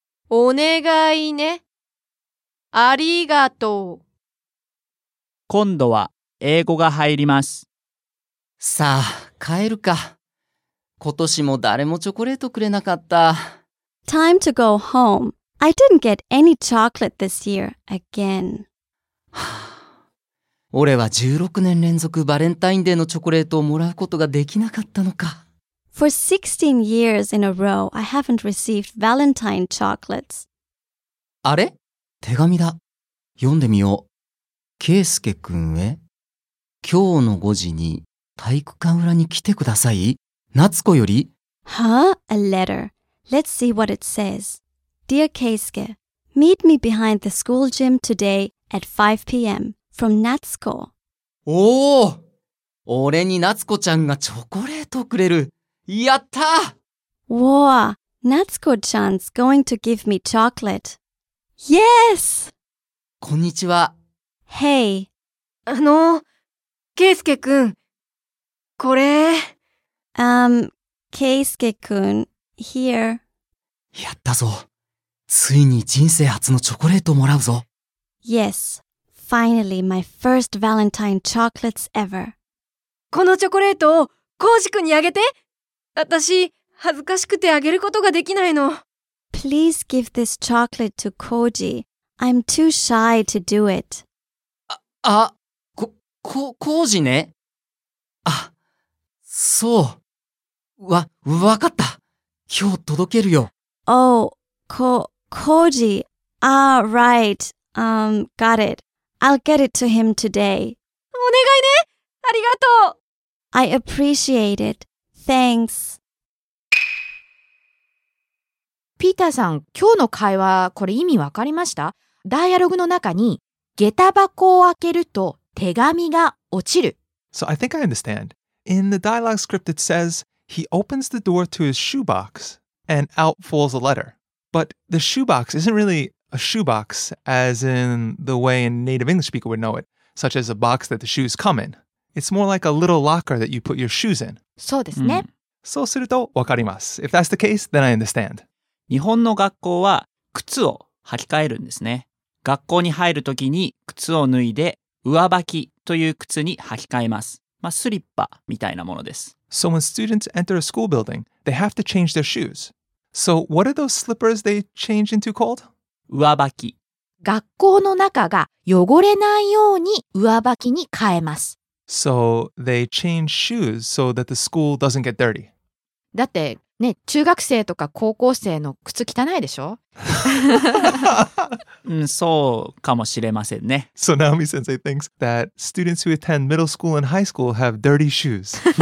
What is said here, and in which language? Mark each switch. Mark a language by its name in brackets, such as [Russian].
[Japanese] お願いね。ありがとう。今度は英語が入ります。さあ、帰るか。今年も誰もチョコレートくれなかった。 [English] Time to go home. I didn't get any chocolate this year again. [Japanese] 俺は16年連続バレンタインデーのチョコレートをもらうことができなかったのか。 [English] For 16 years in a row, I haven't received Valentine chocolates. [Japanese] あれ?手紙だ。読んでみよう。ケースケ君へ。今日の5時に体育館裏に来てください。夏子より。 [English] Huh? A letter. Let's see what it says. Dear Keisuke, meet me behind the school gym today at 5 p.m. from Natsuko. [Japanese] おお、俺に夏子ちゃんがチョコレートくれる。やった [English] Wow! Natsuko-chan's going to give me chocolate. Yes! [Japanese] こんにちは。 [English] Hey! [Japanese] Keisuke-kun, これ… [English] Keisuke-kun, here. [Japanese] やったぞ。ついに人生初のチョコレートをもらうぞ。 [English] Yes. Finally, my first Valentine chocolates ever. [Japanese] このチョコレートをコージ君にあげて。私、恥ずかしくてあげることができないの。 [English] Please give this chocolate to Koji. I'm too shy to do it. [Japanese] コージね。あ、そう。わかった。今日届けるよ。 [English] Koji. Ah, right. Got it. I'll get it to him today. [Japanese] お願いね。ありがとう。 [English] I appreciate it. Thanks. [Japanese] ピーターさん、今日の会話、これ意味わかりました?ダイアログの中に、下駄箱を開けると手紙が落ちる。 [English] So I think I understand. In the dialogue script it says, he opens the door to his shoebox and out falls a letter. But the shoebox isn't really a shoebox as in the way a native English speaker would know it, such as a box that the shoes come in. It's more like a little locker that you put your shoes in. [Japanese] そうですね。そうするとわかります。 [English] If that's the case, then I understand. [Japanese] 日本の学校は靴を履き替えるんですね。学校に入るときに靴を脱いで上履きという靴に履き替えます。まあスリッパみたいなものです。 [English] So when students enter a school building, they have to change their shoes. So what are those slippers they change into called? [Japanese] 上履き。学校の中が汚れないように上履きに変えます。 [English] So they change shoes so that the school doesn't get dirty. [Japanese] だってね、中学生とか高校生の靴汚いでしょ? そうかもしれませんね。 [English] So Naomi Sensei thinks that students who attend middle school and high school have dirty shoes.